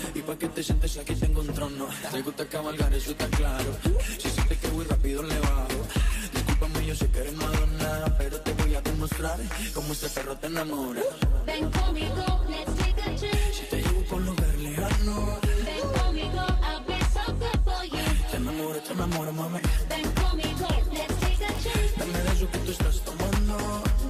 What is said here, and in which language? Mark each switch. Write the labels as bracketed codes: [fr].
[es] Y pa' que te sientes aquí tengo un trono. Te gusta cabalgar, eso está claro. Si sientes que voy rápido, le bajo. Discúlpame, yo sé que eres Madonna, pero te voy a demostrar cómo este perro te enamora. Ven conmigo, [en] let's take a trip. [es] Si te llevo por lugar lejano. Ven conmigo, [en] I'll be so good for you. [es] Te enamoro, mami. Ven conmigo, [en] let's take a trip. [es] Dame de eso que tú estás tomando.